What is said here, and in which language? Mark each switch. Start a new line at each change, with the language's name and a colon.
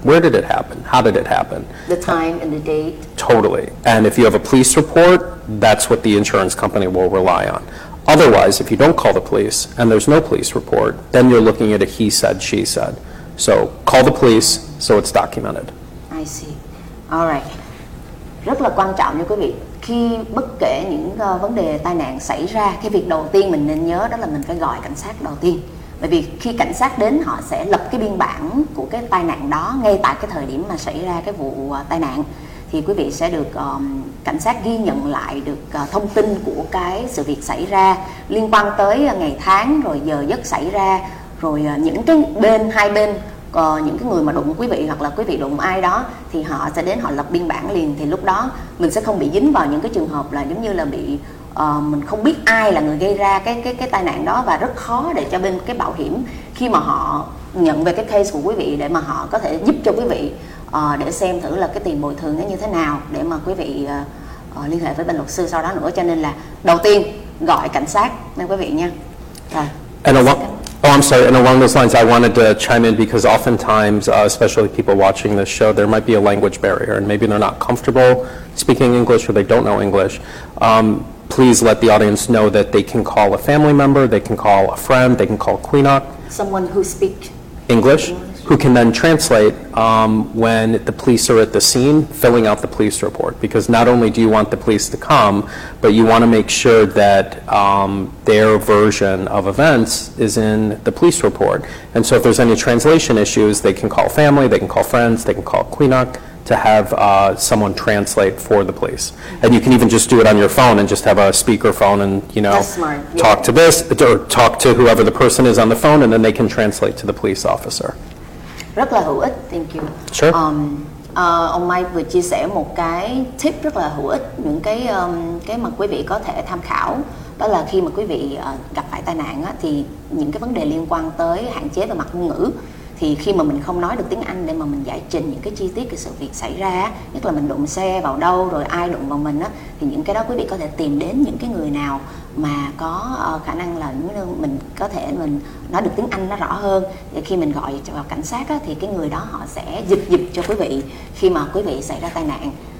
English: Where did it happen? How did it happen? The time and the date. Totally. And if you have a police report, that's what the insurance company will rely on. Otherwise, if you don't call the police and there's no police report, then you're looking at a he said, she said. So call the police so it's documented. I see. All right.
Vietnamese: Rất là quan trọng nha quý vị. Khi bất kể những vấn đề tai nạn xảy ra, cái việc đầu tiên mình nên nhớ đó là mình phải gọi cảnh sát đầu tiên. Bởi vì khi cảnh sát đến, họ sẽ lập cái biên bản của cái tai nạn đó ngay tại cái thời điểm mà xảy ra cái vụ tai nạn. Thì quý vị sẽ được cảnh sát ghi nhận lại được thông tin của cái sự việc xảy ra, liên quan tới ngày tháng, rồi giờ giấc xảy ra, rồi những cái bên, hai bên, những cái người mà đụng quý vị hoặc là quý vị đụng ai đó, thì họ sẽ đến họ lập biên bản liền. Thì lúc đó mình sẽ không bị dính vào những cái trường hợp là giống như là bị mình không biết ai là người gây ra cái tai nạn đó, và rất khó để cho bên cái bảo hiểm khi mà họ nhận về cái case của quý vị để mà họ có thể giúp cho quý vị để xem thử là cái tiền bồi thường nó như thế nào, để mà quý vị liên hệ với bên luật sư sau đó nữa. Cho nên là đầu tiên gọi cảnh sát nha quý vị nha.
English: Oh, I'm sorry. And along those lines, I wanted to chime in, because oftentimes, especially people watching this show, there might be a language barrier, and maybe they're not comfortable speaking English, or they don't know English. Please let the audience know that they can call a family member, they can call a friend, they can call Quinoc. Someone who speaks English, who can then translate when the police are at the scene, filling out the police report. Because not only do you want the police to come, but you want to make sure that their version of events is in the police report. And so if there's any translation issues, they can call family, they can call friends, they can call Quinoc to have someone translate for the police. And you can even just do it on your phone and just have a speaker phone and, you know, talk to this, or talk to whoever the person is on the phone, and then they can translate to the police officer.
Vietnamese: Rất là hữu ích,
English: thank you. Sure.
Vietnamese: Ông Mai vừa chia sẻ một cái tip rất là hữu ích, những cái mà quý vị có thể tham khảo đó là khi mà quý vị gặp phải tai nạn á, thì những cái vấn đề liên quan tới hạn chế về mặt ngôn ngữ, thì khi mà mình không nói được tiếng Anh để mà mình giải trình những cái chi tiết cái sự việc xảy ra, nhất là mình đụng xe vào đâu rồi ai đụng vào mình á, thì những cái đó quý vị có thể tìm đến những cái người nào mà có khả năng là mình có thể mình nói được tiếng Anh nó rõ hơn, để khi mình gọi vào cảnh sát á, thì cái người đó họ sẽ dịch cho quý vị khi mà quý vị xảy ra tai nạn.